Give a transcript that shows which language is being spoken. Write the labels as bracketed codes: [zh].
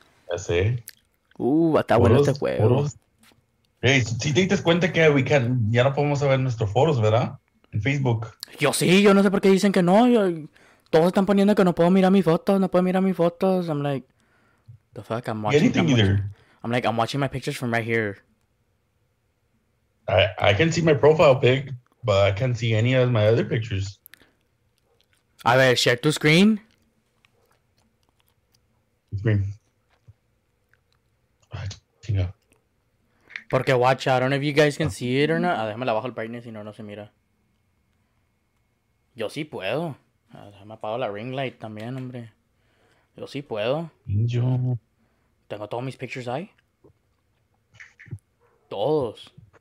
[es] Ya sé. Está bueno este juego. Hey, si te diste cuenta que [en] we can, [es] ya no podemos ver nuestros foros, ¿verdad? En Facebook. Yo sí, yo no sé por qué dicen que no. Todos están poniendo que no puedo mirar mis fotos, no puedo mirar mis fotos. [en] I'm like, the fuck, I'm watching. Anything either. Watching, I'm like, I'm watching my pictures from right here. I can see my profile pic, but I can't see any of my other pictures. [es] A ver, [en] share [es] tu screen. [en] Screen. [es] Porque [en] watch, I don't know if you guys can see it or not. [es] A ver, déjame la bajo el brightness y no, no se mira. Yo sí puedo. A ver, déjame apagar la ring light también, hombre. Yo sí puedo. Yo. Tengo todos mis [en] pictures [es] ahí. Todos.